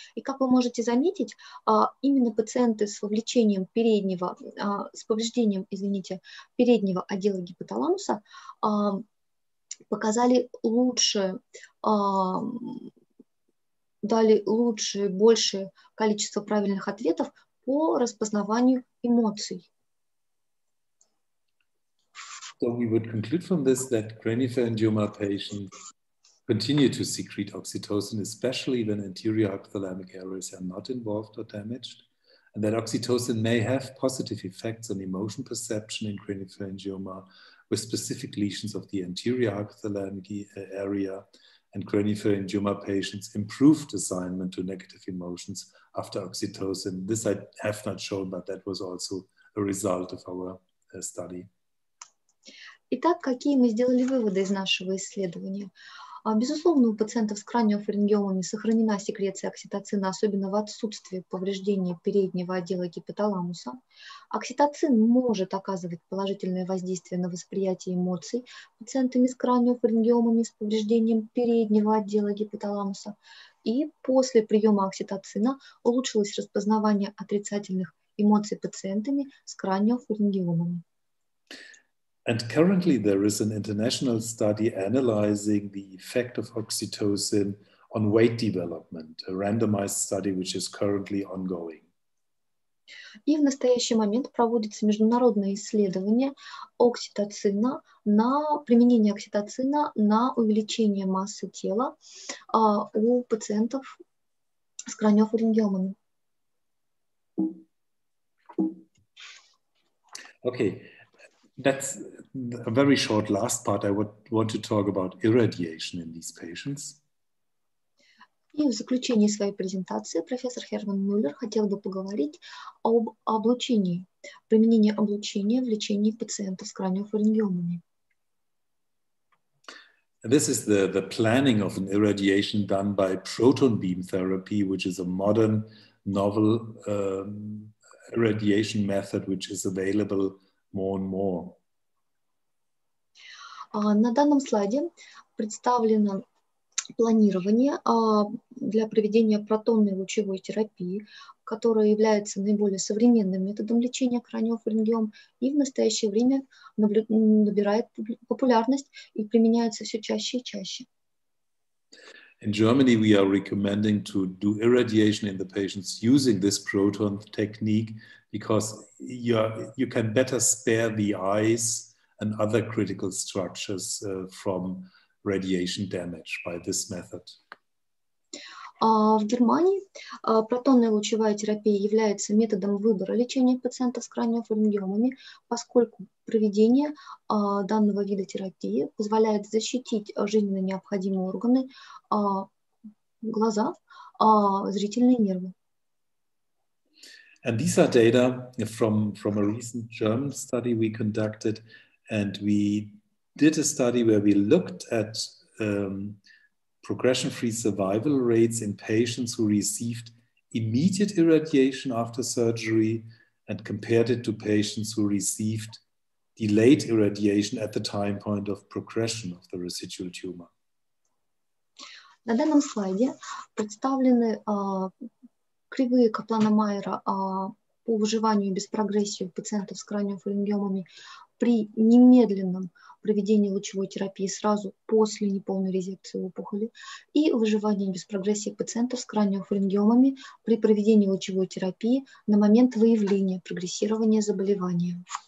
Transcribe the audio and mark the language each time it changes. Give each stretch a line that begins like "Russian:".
Russian: И как вы можете заметить, именно пациенты с вовлечением переднего отдела гипоталамуса показали большее количество правильных ответов по распознаванию эмоций.
English: So we would conclude from this that craniopharyngioma patients continue to secrete oxytocin, especially when anterior hypothalamic areas are not involved or damaged, and that oxytocin may have positive effects on emotion perception in craniopharyngioma with specific lesions of the anterior hypothalamic area, and craniopharyngioma patients improved assignment to negative emotions after oxytocin. This I have not shown, but that was also a result of our study.
Russian: Итак, какие мы сделали выводы из нашего исследования? Безусловно, у пациентов с краниофарингиомами сохранена секреция окситоцина, особенно в отсутствии повреждения переднего отдела гипоталамуса. Окситоцин может оказывать положительное воздействие на восприятие эмоций пациентами с краниофарингиомами с повреждением переднего отдела гипоталамуса. И после приема окситоцина улучшилось распознавание отрицательных эмоций пациентами с краниофарингиомами.
English: And currently there is an international study analyzing the effect of oxytocin on weight development, a randomized study which is currently ongoing.
Russian: И в настоящий момент проводится международное исследование окситоцина на применение окситоцина на увеличение массы тела у пациентов с краниофарингиомами.
English: Okay. That's a very short last part. I would want to talk about irradiation in these patients.
Russian: И в заключении своей презентации профессор Херман Мюллер хотел бы поговорить об облучении, применении облучения в лечении пациентов с краниофарингиомами.
English: This is the planning of an irradiation done by proton beam therapy, which is a modern, novel irradiation method, which is available more and more.
Russian: На данном слайде представлено планирование для проведения протонной лучевой терапии, которая является наиболее современным методом лечения краниофарингиом и в настоящее время набирает популярность и применяется все чаще и чаще.
English: In Germany, we are recommending to do irradiation in the patients using this proton technique because you can better spare the eyes and other critical structures from radiation damage by this method.
Russian: В Германии протонная лучевая терапия является методом выбора лечения пациентов с краниофарингиомами, поскольку проведение данного вида терапии позволяет защитить жизненно необходимые органы глаза, зрительные нервы.
English: And these are data from a recent German study we conducted. And we did a study where we looked at progression-free survival rates in patients who received immediate irradiation after surgery and compared it to patients who received delayed irradiation at the time point of progression of the residual tumor.
Russian: На данном слайде представлены кривые Каплана-Майера по выживанию без прогрессии у пациентов с краниофарингиомами при немедленном проведении лучевой терапии сразу после неполной резекции опухоли и выживание без прогрессии пациентов с краниофарингиомами при проведении лучевой терапии на момент выявления прогрессирования заболевания.